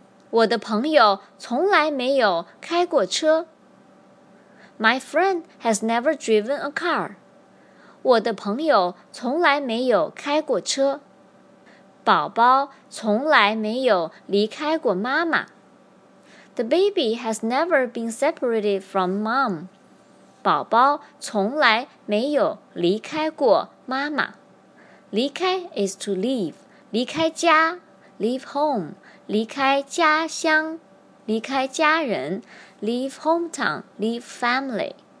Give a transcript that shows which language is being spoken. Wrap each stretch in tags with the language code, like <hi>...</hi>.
<zh>我的朋友从来没有开过车。</zh> <en>My friend has never driven a car.</en> <zh>我的朋友从来没有开过车。宝宝从来没有离开过妈妈。</zh> <en>The baby has never been separated from mom.</en> <zh>宝宝从来没有离开过妈妈。</zh> <en>离开 is to leave.</en> <zh>离开家</zh> <en>leave home.</en> <zh>离开家乡 离开家人</zh> <en>leave hometown, leave family.</en>